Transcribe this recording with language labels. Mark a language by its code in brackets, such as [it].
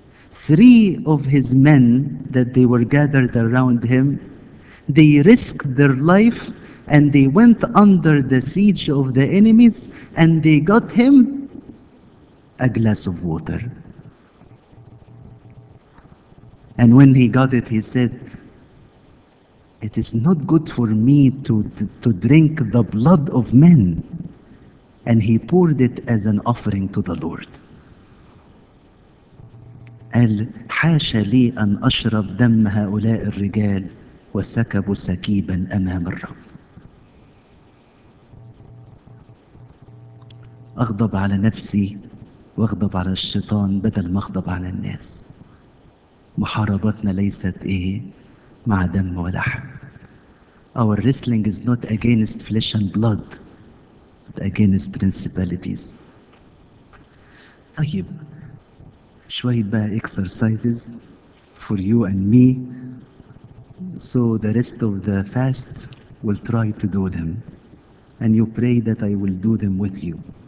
[en] Three of his men that they were gathered around him, they risked their life and they went under the siege of the enemies and they got him a glass of water. And when he got it, he said, it is not good for me to drink the blood of men. And he poured it as an offering to the Lord. [ar] قال حاشا لي أن أشرب دم هؤلاء الرجال وسكبوا سكيبا أمام الرب. أغضب على نفسي وأغضب على الشيطان بدل ما أغضب على الناس. محاربتنا ليست إيه؟ مع دم ولحم. [en] Our wrestling is not against flesh and blood but against principalities. [ar] طيب شوية بقى [en] exercises for you and me so the rest of the fast will try to do them and you pray that I will do them with you.